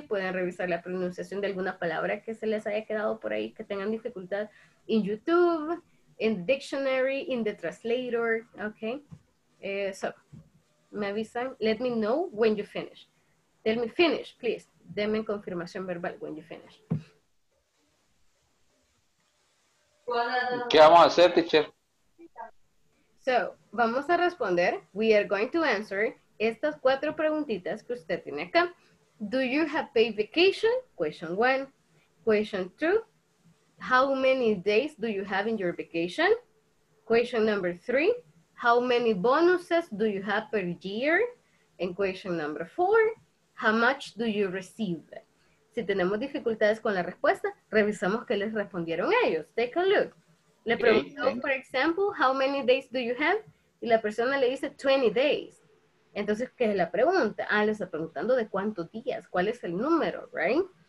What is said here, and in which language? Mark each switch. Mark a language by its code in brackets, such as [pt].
[es] Pueden revisar la pronunciación de alguna palabra que se les haya quedado por ahí, que tengan dificultad. [en] In YouTube, in the dictionary, in the translator, okay? So, [es] me avisan. [en] Let me know when you finish. Tell me, finish, please. [es] Denme confirmación verbal [en] when you finish. [es] ¿Qué vamos a hacer, teacher? So, vamos a responder. [en] We are going to answer [es] estas cuatro preguntitas que usted tiene acá. [en] Do you have paid vacation? Question one. Question two. How many days do you have in your vacation? Question number three. How many bonuses do you have per year? And question number four. How much do you receive? [es] Si tenemos dificultades con la respuesta, revisamos qué les respondieron ellos. [en] Take a look. [es] Le preguntó, [en] for example, how many days do you have? [es] Y la persona le dice 20 days. Entonces, ¿qué es la pregunta? Ah, le está preguntando de cuántos días, cuál es el número, right?